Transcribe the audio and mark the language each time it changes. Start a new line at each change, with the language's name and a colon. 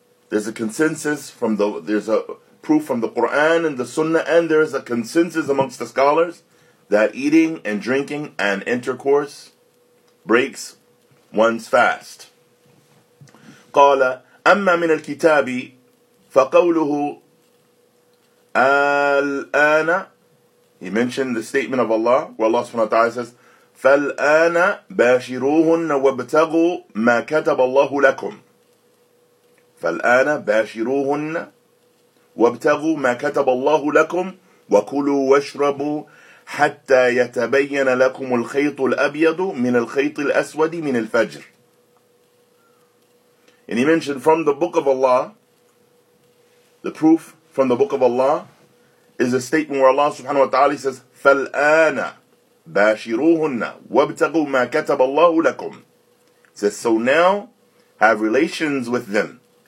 English: There's a consensus from the, there's a proof from the Qur'an and the Sunnah, and there's a consensus amongst the scholars that eating and drinking and intercourse breaks one's fast.
Arabic: قال أما من الكتاب فقوله الآن.
English: He mentioned the statement of Allah, where Allah subhanahu wa ta'ala says,
Arabic: فالآن باشروهن وابتغوا ما كتب الله لكم. فالآن باشروهن وابتغوا ما كتب الله لكم وكلوا واشربوا حتى يتبين لكم الخيط الأبيض من الخيط الأسود من الفجر.
English: And he mentioned from the book of Allah, the proof from the book of Allah is a statement where Allah subhanahu wa ta'ala says,
Arabic: فالآن باشروهن وابتغوا ما كتب الله لكم.
English: It says, so now have relations with them.